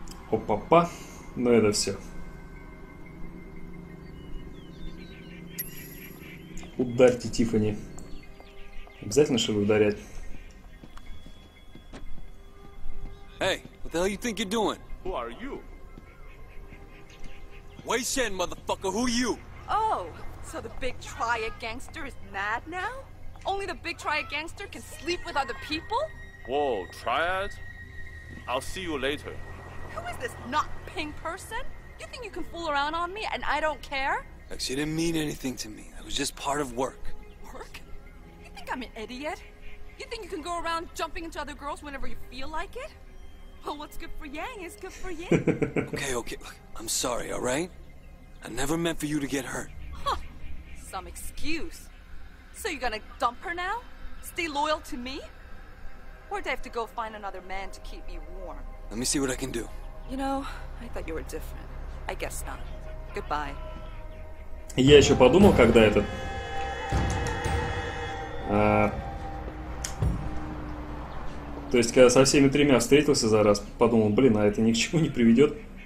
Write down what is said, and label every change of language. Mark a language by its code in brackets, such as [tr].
[ru] Опа-па. Ну это все. Ударьте, Тиффани. Обязательно, чтобы ударять. [en] Hey, what the hell you think you're doing? Who are you? Wei Shen, motherfucker, who you? Oh, so the big triad gangster is mad now? Only the big triad gangster can sleep with other people? Whoa, triad? I'll see you later. Who is this not pink person? You think you can fool around on me and I don't care? Look, she didn't mean anything to me. It was just part of work. Work? You think I'm an idiot? You think you can go around jumping into other girls whenever you feel like it? Well, what's good for Yang is good for Yin. Okay, okay. Look, I'm sorry, all right? I never meant for you to get hurt. Huh. Some excuse. So you're gonna dump her now? Stay loyal to me? Or do I have to go find another man to keep me warm? Let me see what I can do. You know, I thought you were different. I guess not. Goodbye. [ru] Я еще подумал, когда этот... А... То есть, когда со всеми тремя встретился за раз, подумал, блин, а это ни к чему не приведет.